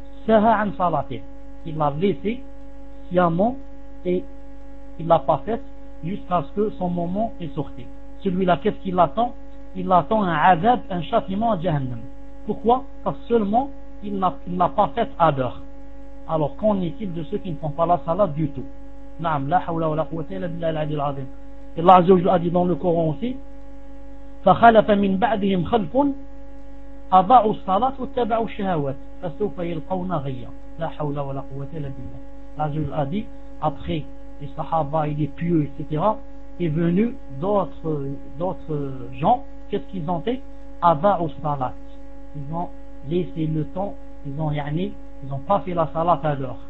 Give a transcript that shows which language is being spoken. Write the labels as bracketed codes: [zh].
[ar] سَهَا عَنْ صَلَاتِهِمْ, [fr] il l'a laissé sciemment et il ne l'a pas fait jusqu'à ce que son moment est sorti. Celui-là, qu'est-ce qu'il attend? Il attend un azab, un châtiment à Jahannam. Pourquoi? Parce que seulement il n'a pas fait à l'heure. Alors qu'en est-il de ceux qui ne font pas la salat du tout? [ar] Naam, la hawla wa la quwwata illa billah al-'aliyyil 'azim. [fr] Allah Azza wa Jalla a dit dans le Coran aussi: [ar] فَخَلَفَ مِنْ بَعْدِهِمْ خَلْفٌ أَضَاعُوا الصَّلَاةَ وَاتَّبَعُوا الشَّهَوَاتِ فَسَوْفَ يَلْقَوْنَ غَيًّا. La hawla wa la quwwata illa billah. [fr] Allah Azza wa Jalla a dit: après les sahaba, il est pieux, etc., est venu d'autres gens, qu'est-ce qu'ils ont fait? [ar] Aba'u salat, [fr] ils ont laissé le temps, ils ont yani, ils ont pas fait la salat à l'heure.